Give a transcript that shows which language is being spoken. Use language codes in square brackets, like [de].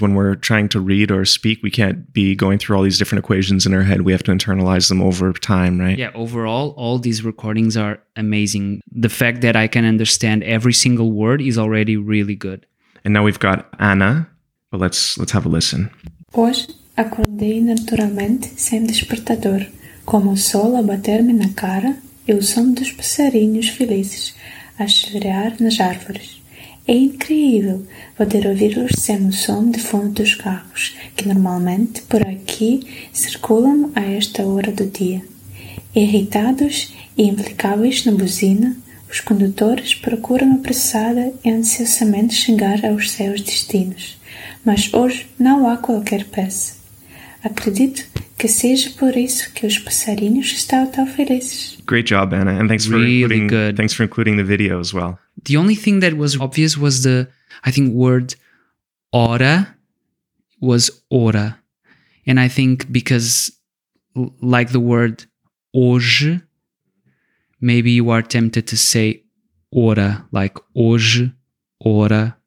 [en] When we're trying to read or speak, we can't be going through all these different equations in our head. We have to internalize them over time, right? Yeah, overall, all these recordings are amazing. The fact that I can understand every single word is already really good. And now we've got Ana, but let's have a listen. [pt] Hoje acordei naturalmente sem despertador, com o sol a bater-me na cara e o som dos passarinhos felizes a chirriar nas árvores. É incrível poder ouvir-los sem o som de fundo dos carros, que normalmente por aqui circulam a esta hora do dia. Irritados e implicáveis na buzina, os condutores procuram apressada e ansiosamente chegar aos seus destinos. Mas hoje não há qualquer peça. Acredito que seja por isso que os passarinhos estão tão felizes. [en] Great job, Anna. And thanks really for including good. Thanks for including the video as well. The only thing that was obvious was the, I think, word hora was hora. And I think because like the word hoje, maybe you are tempted to say hora, like hoje, hora.